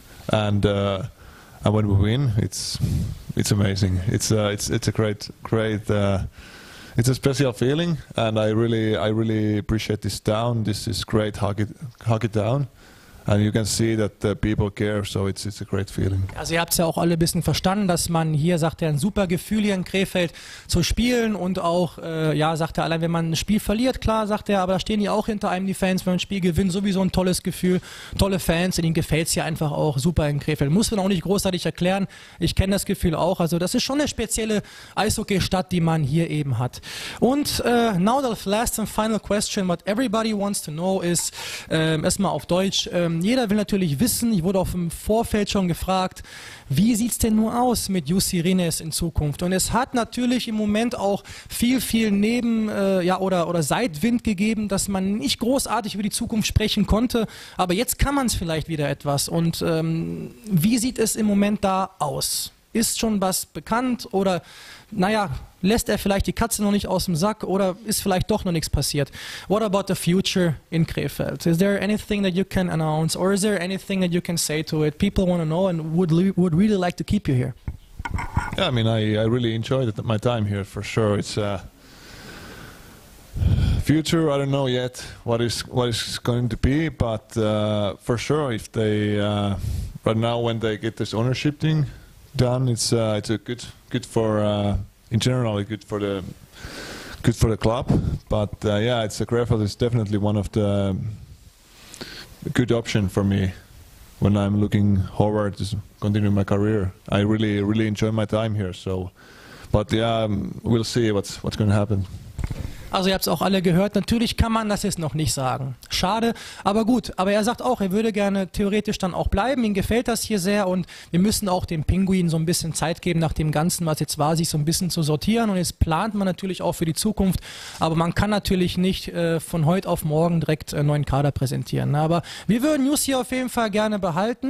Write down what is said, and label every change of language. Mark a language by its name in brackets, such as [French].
[English] And when we win, it's amazing. It's a great it's a special feeling, and I really appreciate this town. This is great hockey town. And you can see that the people care, so it's a great feeling. [German] Also ihr habt es ja auch alle ein bisschen verstanden, dass man hier, sagt er, ein super Gefühl hier in Krefeld zu spielen und auch, ja, sagt er, allein wenn man ein Spiel verliert, klar, sagt er, aber da stehen ja auch hinter einem die Fans, wenn man ein Spiel gewinnt, sowieso ein tolles Gefühl, tolle Fans, denen gefällt es hier einfach auch super in Krefeld. Muss man auch nicht großartig erklären, ich kenne das Gefühl auch, also das ist schon eine spezielle Eishockey-Stadt, die man hier eben hat. Und [English] now the last and final question, what everybody wants to know is, [German] erstmal auf Deutsch, jeder will natürlich wissen, ich wurde auf dem Vorfeld schon gefragt, wie sieht es denn nun aus mit Jussi Rinnes in Zukunft? Und es hat natürlich im Moment auch viel, viel Neben- oder Seitwind gegeben, dass man nicht großartig über die Zukunft sprechen konnte. Aber jetzt kann man es vielleicht wieder etwas. Und wie sieht es im Moment da aus? Ist schon was bekannt oder, naja, lässt er vielleicht die Katze noch nicht aus dem Sack oder ist vielleicht doch noch nichts passiert? [English] What about the future in Krefeld? Is there anything that you can announce or is there anything that you can say to it? People want to know and would really like to keep you here. Yeah, I mean, I really enjoyed my time here for sure. It's future, I don't know yet what is going to be, but for sure if they, right now when they get this ownership thing done, it's a good for in general, good for the club, but yeah, it's a Krefeld is definitely one of the good option for me when I'm looking forward to continue my career. I really enjoy my time here, so but yeah, we'll see what's going to happen. [German] Also ihr habt es auch alle gehört, natürlich kann man das jetzt noch nicht sagen. Schade, aber gut. Aber er sagt auch, er würde gerne theoretisch dann auch bleiben. Ihm gefällt das hier sehr und wir müssen auch dem Pinguin so ein bisschen Zeit geben, nach dem Ganzen, was jetzt war, sich so ein bisschen zu sortieren. Und jetzt plant man natürlich auch für die Zukunft. Aber man kann natürlich nicht von heute auf morgen direkt einen neuen Kader präsentieren. Aber wir würden Jussi hier auf jeden Fall gerne behalten.